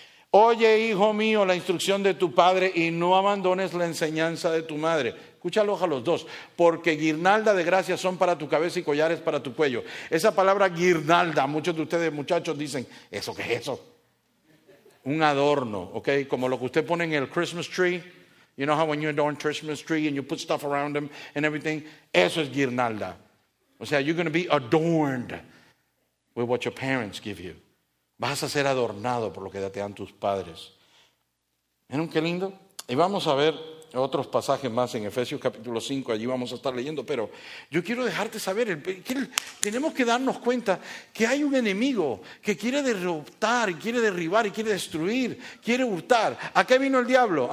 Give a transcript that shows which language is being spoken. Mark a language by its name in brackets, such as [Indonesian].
[Spanish] Oye, hijo mío, la instrucción de tu padre y no abandones la enseñanza de tu madre. Escúchalo a los dos, porque guirnalda de gracia son para tu cabeza y collares para tu cuello. Esa palabra guirnalda, muchos de ustedes, muchachos, dicen, ¿eso qué es eso? Un adorno, ¿ok? Como lo que usted pone en el Christmas tree. [English] You know how when you adorn Christmas tree and you put stuff around them and everything? [Spanish] Eso es guirnalda. O sea, [English] you're going to be adorned with what your parents give you. [Spanish] Vas a ser adornado por lo que te dan tus padres. ¿Vieron qué lindo? Y vamos a ver otros pasajes más en Efesios capítulo 5. Allí vamos a estar leyendo. Pero yo quiero dejarte saber que tenemos que darnos cuenta que hay un enemigo que quiere derrotar, quiere derribar, quiere destruir, quiere hurtar. ¿A qué vino el diablo?